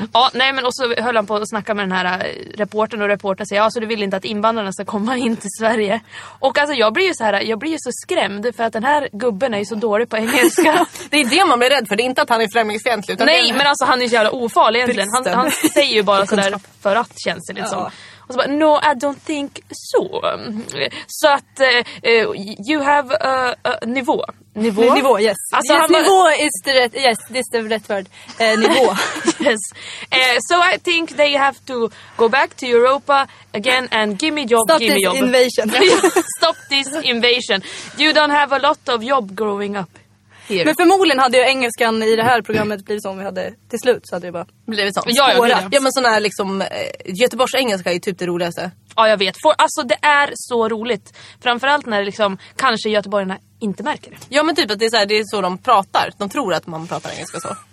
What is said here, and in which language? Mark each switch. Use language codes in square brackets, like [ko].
[sv] Ja, nej, men också höll han på att snacka med den här reporten och reportern säger, ja, så du vill inte att invandrarna ska komma in till Sverige. Och alltså, jag blir ju så skrämd för att den här gubben är ju så dålig på engelska. Det är det man blir rädd för, det är inte att han är främlingsfientlig. Utan nej, men alltså, han är ju jävla ofarlig egentligen. Han säger ju bara sådär för att känns det liksom. Ja. [en] Och så bara, no, I don't think so. [sv] Så att, [en] you have a nivå. [sv] Nivå? [en] Nivå, yes. Alltså, yes, nivå is the right, yes, this is the right word. [sv] Nivå. [en] Yes. So I think they have to go back to Europa again and give me job, stop give me job. Stop this invasion. Stop this invasion. You don't have a lot of job growing up here. [sv] Men förmodligen hade ju engelskan i det här programmet blivit som vi hade till slut, så hade det bara blivit sånt. Ja, men sån här liksom Göteborgs engelska är typ det roligaste. Ja, jag vet. Alltså det är så roligt. Framförallt när liksom kanske göteborgarna inte märker det. Ja, men typ att det är så här, det är så de pratar. De tror att man pratar engelska så.